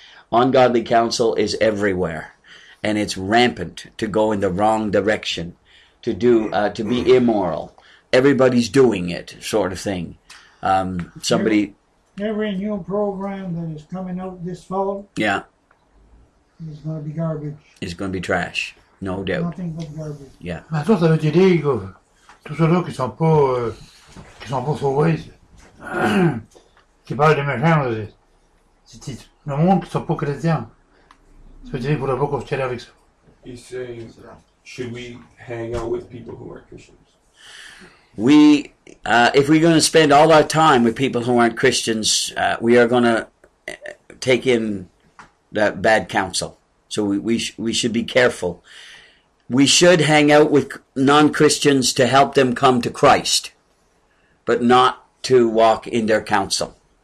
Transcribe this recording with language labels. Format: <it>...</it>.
<en>Ungodly counsel is everywhere, and it's rampant to go in the wrong direction, to be immoral. Everybody's doing it, sort of thing. Every new program that is coming out this fall, yeah, is going to be garbage. It's going to be trash, no doubt. Nothing but garbage. Yeah.</en> <fr>Mais toi, ça veut dire que tous ceux-là qui sont pas sauvés, qui parlent des méchants, c'est le monde qui ne sont pas chrétiens. Ça veut dire qu'il ne faudrait pas continuer avec ça.</fr> <en>He's saying, should we hang out with people who aren't Christians? We, if we're going to spend all our time with people who aren't Christians, we are going to take in that bad counsel. So we should be careful. We should hang out with non-Christians to help them come to Christ, but not to walk in their counsel.</en>